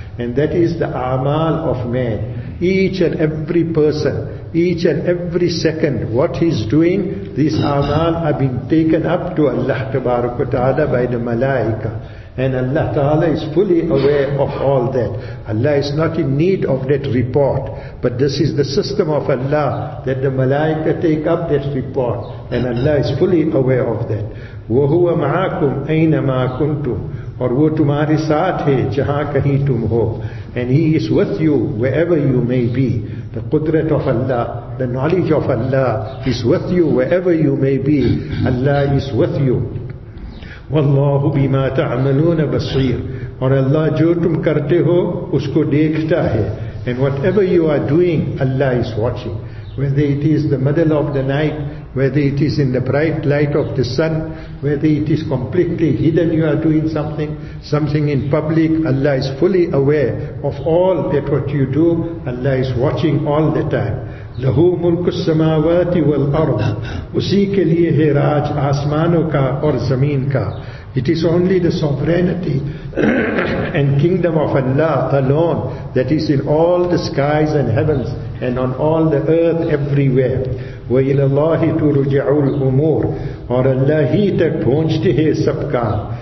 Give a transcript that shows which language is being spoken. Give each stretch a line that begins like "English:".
English: And that is the a'mal of man. Each and every person, each and every second, what he's doing, these a'mal are being taken up to Allah Tabarak wa Ta'ala by the malaika. And Allah Ta'ala is fully aware of all that. Allah is not in need of that report. But this is the system of Allah, that the malaika take up that report. And Allah is fully aware of that.
Arabic: وَهُوَ مَعَاكُمْ أَيْنَ مَا كُنْتُمْ
Urdu: اور وہ تمہارے ساتھ ہے جہاں کہیں تم ہو.
English: And He is with you wherever you may be. The Qudrat of Allah, the knowledge of Allah is with you wherever you may be. Allah is with you.
Arabic: وَاللَّهُ بِمَا تَعْمَلُونَ بَصِيرٌ.
Urdu: اور اللہ جو تم کرتے ہو اس کو دیکھتا ہے.
English: And whatever you are doing, Allah is watching. Whether it is the middle of the night, whether it is in the bright light of the sun, whether it is completely hidden you are doing something in public, Allah is fully aware of all that what you do. Allah is watching all the time.
Arabic: لَهُ مُلْكُ السَّمَاوَاتِ وَالْأَرْضِ.
Urdu: اسی کے لئے ہے راج آسمانوں کا اور زمین کا.
English: It is only the sovereignty and kingdom of Allah alone that is in all the skies and heavens and on all the earth everywhere.
Arabic: وَإِلَى اللَّهِ تُرُجِعُ الْأُمُورِ.
Urdu: اور اللہ ہی تک پہنچتے ہیں سب کام.